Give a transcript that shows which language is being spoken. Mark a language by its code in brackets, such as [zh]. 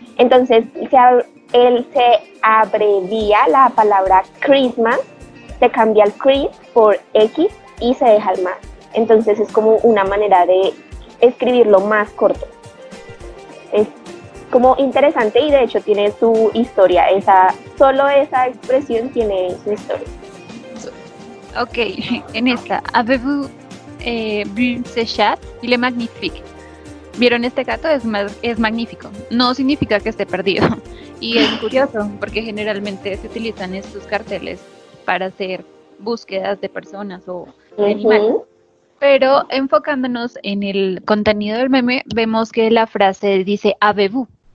[es] Entonces se abrevía la palabra Christmas, se cambia el Chris por X y se deja el más. Entonces es como una manera de escribirlo más corto. Es como interesante y de hecho tiene su historia, solo esa expresión tiene su historia. Ok, en esta, [fr] avez-vous vu ce chat? Il est magnifique. [es] ¿Vieron este gato? Es magnífico. No significa que esté perdido. Y es curioso porque generalmente se utilizan estos carteles para hacer búsquedas de personas o de animales. Pero enfocándonos en el contenido del meme, vemos que la frase dice [fr] avez-vous.